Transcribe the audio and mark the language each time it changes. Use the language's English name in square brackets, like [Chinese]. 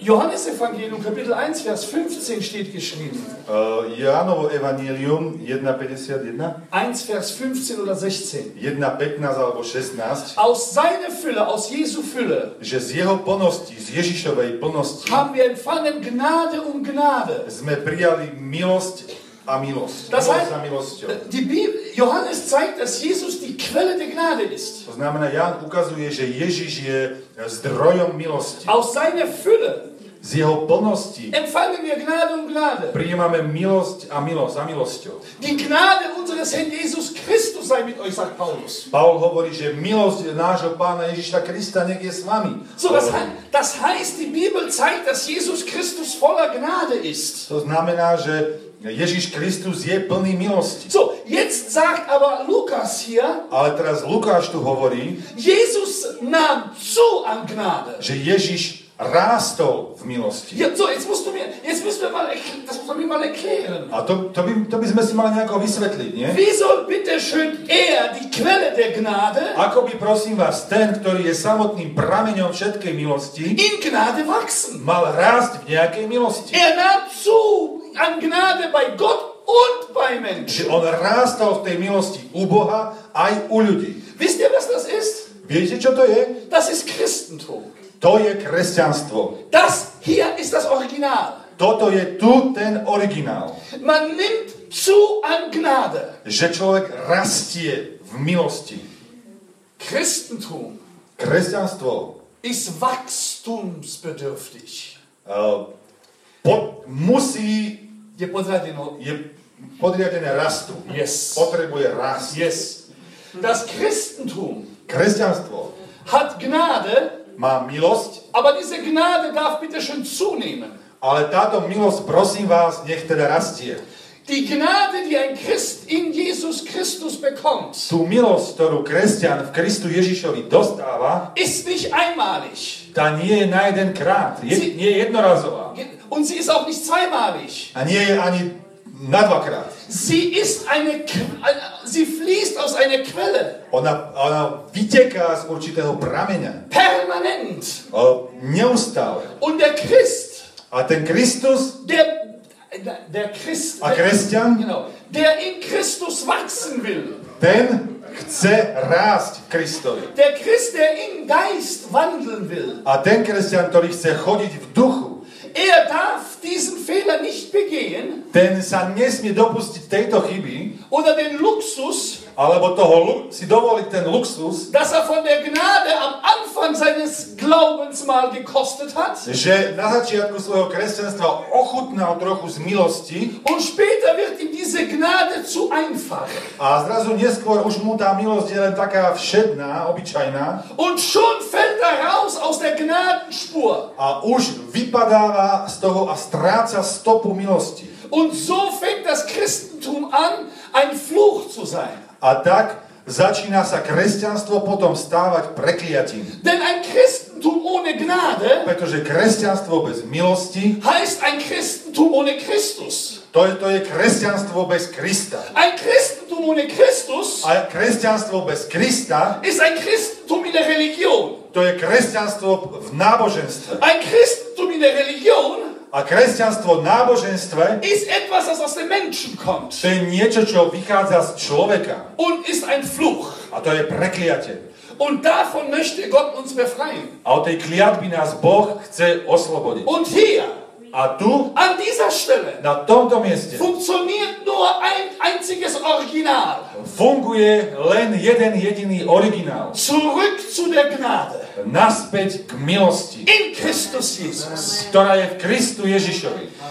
[German] Johannes Evangelium Kapitel 1 Vers 15 steht geschrieben. [Slovak] Jánovo Evangelium 1:51. [German] 1 Vers 15 oder 16. [Slovak] 1:15 alebo 16. [German] Aus seiner Fülle, aus Jesu Fülle. [Slovak] Že z jeho plnosti, z Ježišovej plnosti. [German] Haben wir empfangen Gnade um Gnade. [Slovak] Sme prijali milosť a milosť. [German] Das heißt, Johannes zeigt, dass Jesus die Quelle der Gnade ist. [Slovak] To znamená, Ján ukazuje, že Ježiš je zdrojom milosti. [German] Aus seiner Fülle. [Slovak] Z jeho plnosti. [German] Empfangen wir Gnade um Gnade. [Slovak] Prijímame milosť a milosť za milosťou. [German] Die Gnade unseres Herrn Jesus Christus sei mit euch, sagt Paulus. [Slovak] Paul hovorí, že milosť nášho Pána Ježiša Krista nech je s vami. [German] So, das heißt, die Bibel zeigt, dass Jesus Christus voller Gnade ist. [Slovak] To znamená, že Ježiš Kristus je plný milosti. [German] So, jetzt sagt aber Lukas hier. [Slovak] Ale teraz Lukáš tu hovorí. [German] Jesus nahm zu an Gnade. [Slovak] Že Ježiš rástol v milosti. [German] Ja, so, jetzt musst du mir mal erklären. [Slovak] A to by sme si mali nejako vysvetliť, nie? [German] Wieso bitte schön die Quelle der Gnade? [Slovak] Ako by, prosím vás, ten, ktorý je samotným prameňom všetkej milosti. [German] In Gnade wachsen. [Slovak] Mal rásť v nejakej milosti. [German] Er nahm zu an Gnade bei Gott und bei Menschen. [Slovak] On rástol v tej milosti u Boha aj u ľudí. [German] Wisst ihr, was das ist? [Slovak] Viete, čo to je? [German] Das ist Christentum. [Slovak] To je kresťanstvo. [German] Das hier ist das Original. [Slovak] Toto je tu ten originál. [German] Man nimmt zu an Gnade. [Slovak] Že človek rastie v milosti. [German] Christentum. [Slovak] Kresťanstvo. [German] Ist wachstumsbedürftig. [Slovak] Musí... Je podriadené. Je podriadené rastu. [English] Yes. [Slovak] Potrebuje rast. [German] Yes. Das Christentum. [Slovak] Kresťanstvo. [German] Hat Gnade... [Slovak] Má milosť. [German] Aber diese Gnade darf bitte schön zunehmen. [Slovak] Ale táto milosť, prosím vás, nech teda rastie. [German] Die Gnade, die ein Christ in Jesus Christus bekommt. [Slovak] Tú milosť, ktorú kresťan v Kristu Ježišovi dostáva, [German] ist nicht einmalig. [Slovak] Tá nie je na jeden krát, nie je jednorazová. [German] Und sie ist auch nicht zweimalig. [Slovak] A nie je ani na dvakrát. [German] Sie ist eine sie fließt aus einer Quelle. [Slovak] Ona vyteká z určitého prameňa. [German] Permanent. [Slovak] Neustále. [German] Und der Christ. [Slovak] A ten Kristus. [German] Der Christ. [Slovak] A kresťan. [German] Genau. Der in Christus wachsen will. [Slovak] Ten chce rásť Kristovi. [German] Der Christ, der in Geist wandeln will. [Slovak] A ten kresťan, ktorý chce chodiť v duchu. [German] Er darf diesen Fehler nicht begehen. [Slovak] Ten sa nesmie dopustiť tejto chyby, [German] oder den Luxus, [Slovak] alebo toho si dovoliť ten luxus, [German] dass er von der Gnade am Anfang seines Glaubens mal gekostet hat, [Slovak] že na začiatku svojho kresťanstva ochutnal trochu z milosti, [German] und später wird ihm diese Gnade zu einfach. [Slovak] A zrazu neskôr už mu tá milosť je len taká všedná, obyčajná, [German] und schon fällt er raus aus der Gnadenspur. [Slovak] A už vypadáva z toho a stráca stopu milosti. [German] Und so fängt das Christentum an, ein Fluch zu sein. [Slovak] A tak začína sa kresťanstvo potom stávať prekliatím. [German] Denn ein Christentum ohne Gnade, [Slovak] pretože kresťanstvo bez milosti, [German] heißt ein Christentum ohne Christus. [Slovak] To je kresťanstvo bez Krista. [German] Ein Christentum ohne Christus, [Slovak] a kresťanstvo bez Krista, [German] ist ein Christentum in der Religion. [Slovak] To je kresťanstvo v náboženstve. [German] Ein Christentum in der Religion, [Slovak] a kresťanstvo náboženstve, [German] ist etwas, das aus dem Menschen kommt. [Slovak] To je niečo, čo vychádza z človeka. [German] Und ist ein Fluch. [Slovak] A to je prekliatie. [German] Und davon möchte Gott uns befreien. [Slovak] A od tej kliatby nás Boh chce oslobodiť. [German] Und hier, [Slovak] a tu, [German] an dieser Stelle, [Slovak] na tomto mieste, [German] funktioniert nur ein einziges Original. [Slovak] Funguje len jeden jediný originál. [German] Zurück zu der Gnade. [Slovak] Naspäť k milosti. [German] In Christus Jesus. [Slovak] Ktorá je v Kristu Ježišovi.